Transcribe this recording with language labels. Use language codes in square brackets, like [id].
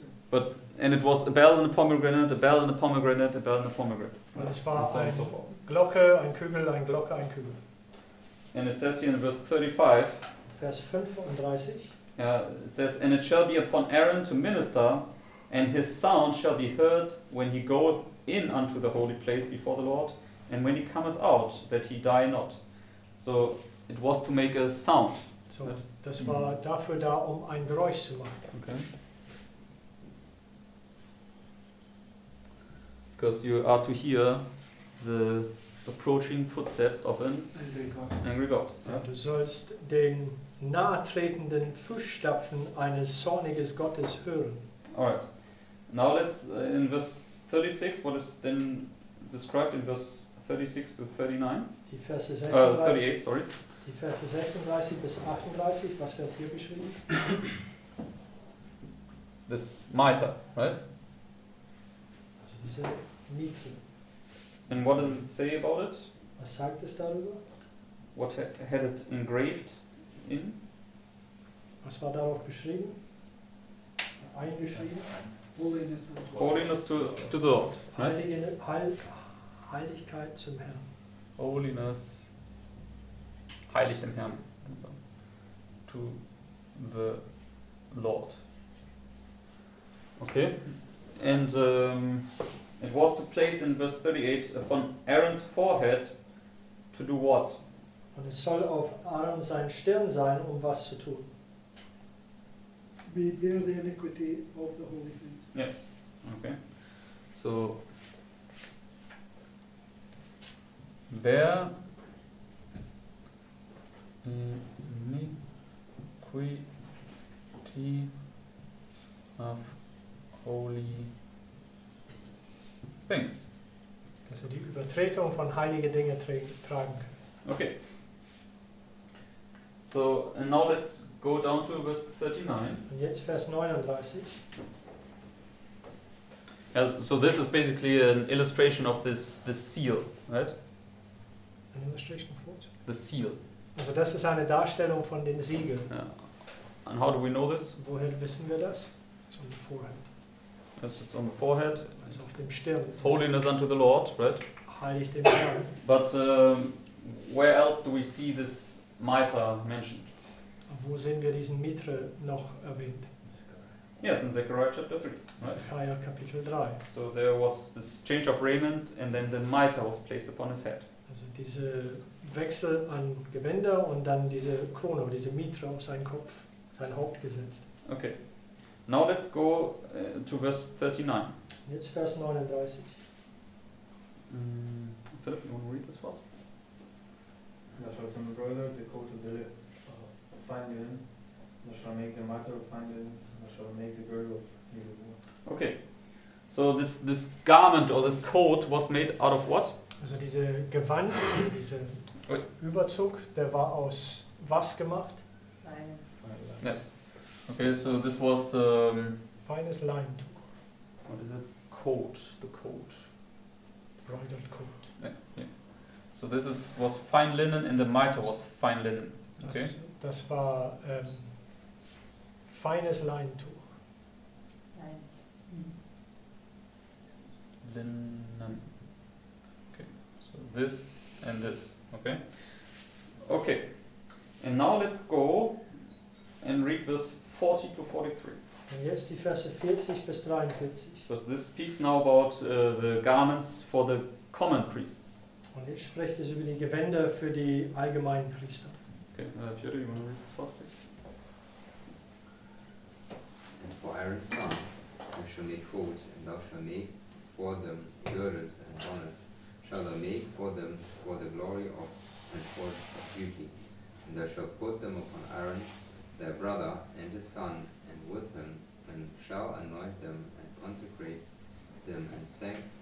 [en] But and it was a bell and a pomegranate, a bell and a pomegranate, a bell and a pomegranate. [de] Und es war eine Glocke, ein Kugel, ein Glocke, ein Kugel. [en] And it says here in verse 35. [de] Vers 35. [en] Yeah, it says, and it shall be upon Aaron to minister, and his sound shall be heard when he goeth in unto the holy place before the Lord, and when he cometh out, that he die not. So it was to make a sound. So but, [de] das war dafür da, um ein Geräusch zu machen. [en] Okay. Because you are to hear the approaching footsteps of an angry God. [de] Du sollst den nahtretenden Fußstapfen eines zornigen Gottes hören. [en] Alright. Now let's, in verse 36, what is then described in verse 36 to 39? [de] Die Verse 36, [en] 38, sorry. [de] Die Verse 36 bis 38, was wird hier beschrieben? [en] This mitre, right? [de] Also diese Mitre. [en] And what does it say about it? [de] Was sagt es darüber? [en] What had it engraved in? [de] Was war darauf geschrieben? Eingeschrieben? [en] Holiness, and holiness to the Lord. [de] Heiligkeit zum Herrn. Holiness, heilig dem Herrn. So. [en] To the Lord. Okay. And it was to place in verse 38 upon Aaron's forehead to do what? [de] Und es soll auf Aaron sein Stirn sein, um was zu tun? [en] We bear the iniquity of the holy things. Yes. Okay. So bear iniquity of holy things. [de] Dass er die Übertretung von heiligen Dingen tragen kann. [en] Okay. So, and now let's go down to verse 39. [de] Und jetzt Vers 39. [en] Yeah, so this is basically an illustration of this seal, right? An illustration of what? The seal. [de] Also das ist eine Darstellung von den Siegeln. [en] Yeah. And how do we know this? [de] Woher wissen wir das? [en] It's on the forehead. Yes, it's on the forehead. [de] Also auf dem Stirn. [en] It's holiness unto the Lord, right? [de] Heilig dem Herrn. [en] But where else do we see this mitre mentioned? [de] Wo sehen wir diesen Mitre noch erwähnt? [en] Yes, in Zechariah chapter 3. [de] Zechariah Kapitel 3. [en] So there was this change of raiment and then the mitre was placed upon his head. [de] Also diese Wechsel an Gewänder und dann diese Krone, diese Mitre auf seinen Kopf, sein Haupt gesetzt. [en] Okay. Now let's go to verse 39. [de] Jetzt Vers 39. [en] Philip, you want to read this for us? Thou shalt embroider the coat of the fine linen, thou shalt make the mitre of fine linen, thou shalt make the girdle of needle work. Okay. So this garment or this coat was made out of what? [de] Also diese Gewand, diese Überzug, der war aus was gemacht? [en] Fine. Yes. Okay, so this was finest linen. What is it? Coat. The coat. Bridled coat. So this was fine linen and the mitre was fine linen. Okay. [de] Das war feines Leintuch. [en] Linen. Okay. So this and this. Okay. Okay. And now let's go and read verse 40 to 43. [de] Und jetzt die Verse 40 bis 43. [en] So this speaks now about the garments for the common priests. [de] Und jetzt spricht es über die Gewänder für die allgemeinen Priester. [en] Okay, Peter, you want to read this first, please? And for Aaron's son, thou shalt make coats, and thou shalt make for them girdles and bonnets, shall thou make for them for the glory of and for beauty. And thou shalt put them upon Aaron, their brother, and his son, and with them, and shall anoint them, and consecrate them, and sanctify them.